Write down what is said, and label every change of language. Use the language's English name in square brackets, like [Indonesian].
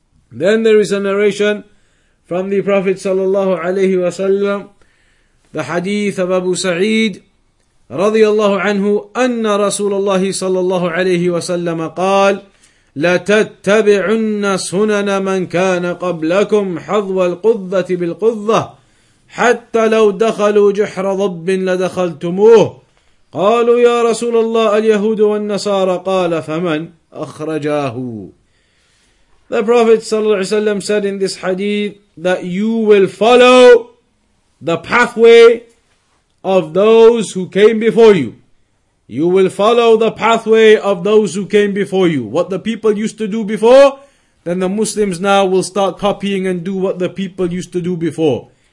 [English] Then there is a narration from the Prophet sallallahu alayhi wa sallam, the hadith of Abu Sa'id radiyallahu anhu, [Arabic] anna Rasulullah sallallahu alayhi wa sallam qal, latattabi'unna sunana man kana qablakum hadwa al-quddati bil-quddah, حتى لو دخلوا جحر ضب لدخلتموه. قالوا يا رسول الله اليهود والنصارى. قال فمن أخرجاه. [English] The Prophet صلى الله عليه وسلم said in this hadith that you will follow the pathway of those who came before you. You will follow the pathway of those who came before you. What the people used to do before, then the Muslims now will start copying and do what the people used to do before.